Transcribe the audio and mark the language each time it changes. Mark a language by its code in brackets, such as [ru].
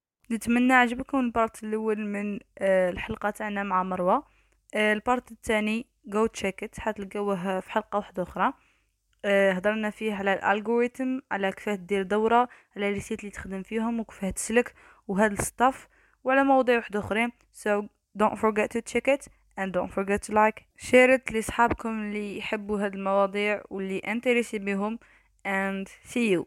[ar] نتمنى عجبكم البارت الاول من الحلقه تاعنا مع مروه. البارت الثاني [en] go check it, [ar] حتلقوه في حلقه واحده اخرى. هضرنا فيه على الالغوريتم، على كيفاه دير دوره، على الريسيت اللي تخدم فيهم، وكيفاه تسلك وهذا الستاف، وعلى مواضيع واحده اخرين. [en] So don't forget to check it and don't forget to like. Share it [ar] لصحابكم اللي يحبوا هاد المواضيع واللي انتريسي بهم. [en] And see you.